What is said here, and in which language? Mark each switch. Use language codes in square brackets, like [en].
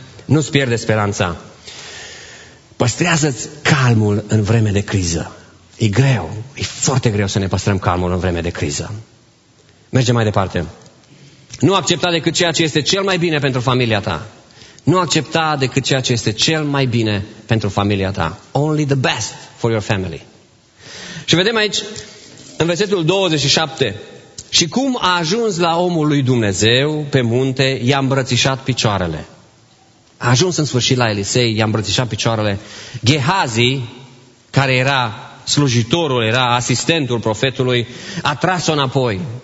[ro] Nu-ți pierde speranța. Păstrează-ți calmul în vreme de criză. E greu. E foarte greu să ne păstrăm calmul în vreme de criză. Mergem mai departe. Nu accepta decât ceea ce este cel mai bine pentru familia ta. Nu accepta decât ceea ce este cel mai bine pentru familia ta. [en] Only the best for your family. [ro] Și vedem aici, în versetul 27... Și cum a ajuns la omul lui Dumnezeu pe munte, i-a îmbrățișat picioarele. A ajuns în sfârșit la Elisei, i-a îmbrățișat picioarele. Gehazi, care era slujitorul, era asistentul profetului, a tras-o înapoi.